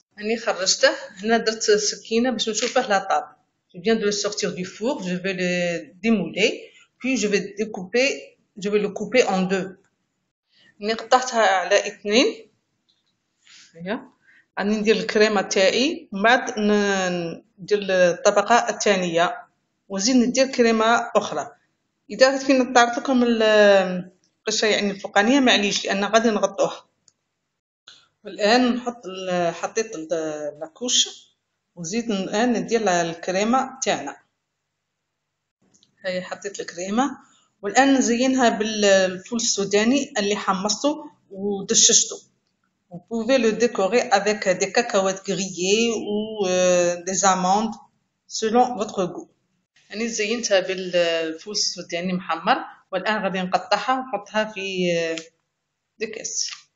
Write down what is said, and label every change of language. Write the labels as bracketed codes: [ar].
[ar] راني خرجته هنا، درت السكينه باش نشوفه لا طاب. [fr] Je viens de le sortir du four, je vais le démouler, puis je vais découper, je vais le couper en deux. [ar] راني قطعتها على 2. راني ندير الكريمه تاعي، من بعد ندير الطبقه الثانيه وزيد ندير كريمه اخرى. اذا كنا طارت لكم القشره يعني الفوقانيه، معليش لان غادي نغطوها. الآن نحط حطيت لاكوش وزيد الآن ندير الكريمة تاعنا. هاي حطيت الكريمة والآن نزينها بالفول السوداني اللي حمصته ودششته. [fr] Vous pouvez le décorer avec des cacahuètes grillées ou des amandes selon votre goût. [ar] أنا زينتها بالفول السوداني محمر والآن غادي نقطعها ونحطها في دكاس.